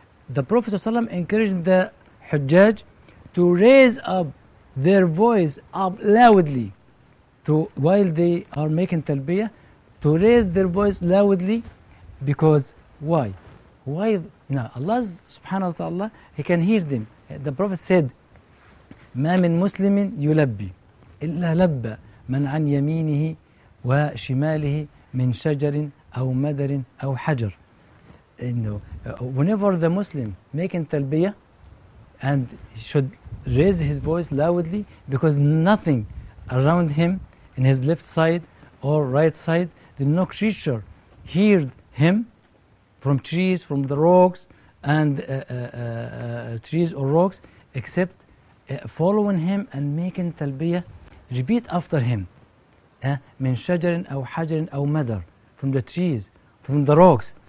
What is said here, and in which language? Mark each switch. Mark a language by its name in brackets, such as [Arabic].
[English] The Prophet ﷺ encouraged the Hujjaj to raise up their voice up loudly to while they are making talbiyah, to raise their voice loudly. Because why you know, Allah subhanahu wa ta'ala, He can hear them. [Arabic] The Prophet said, ما من مسلم يلبي إلا لبى من عن يمينه وشماله من شجر أو مدر أو حجر. [English] Whenever the Muslim making talbiyah and should raise his voice loudly, because nothing around him in his left side or right side, did no creature hear him from trees, from the rocks and trees or rocks, except following him and making talbiyah, repeat after him, [Arabic] min shajarin aw hajarin aw madar, [English] from the trees, from the rocks.